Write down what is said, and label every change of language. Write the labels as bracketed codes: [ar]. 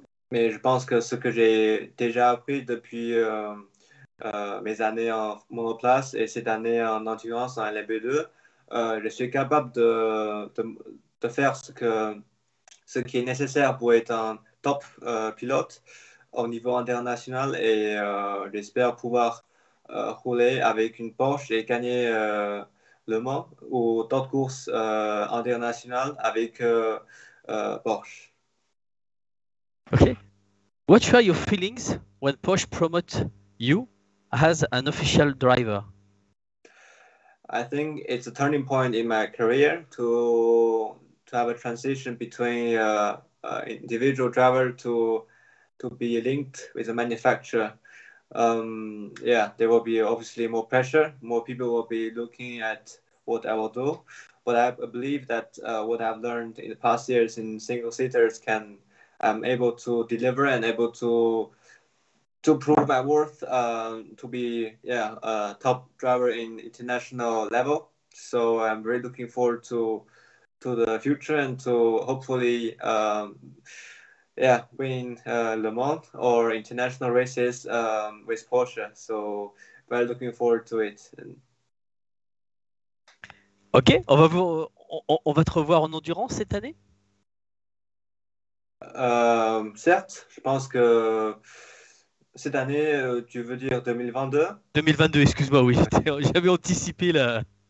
[fr] Mais je pense que ce que j'ai déjà appris depuis mes années en monoplace et cette année en endurance en LMP2, je suis capable de faire ce qui est nécessaire pour être un top pilote au niveau international, et j'espère pouvoir rouler avec une Porsche et gagner Le Mans ou d'autres courses internationales avec Porsche. [en] Ok. What are your feelings when Porsche promote you as an official driver? I think it's a turning point in my career to have a transition between individual driver to be linked with a manufacturer. There will be obviously more pressure, more people will be looking at what I will do, but I believe that what I've learned in the past years in single seaters can I'm able to deliver and able to prove my worth to be a top driver in international level. So I'm really looking forward to the future and to hopefully win Le Mans or international races with Porsche. So very looking forward to it. [fr] Ok, on va te revoir en endurance cette année. Certes, je pense que cette année, tu veux dire 2022? 2022, excuse-moi, oui, j'avais anticipé là.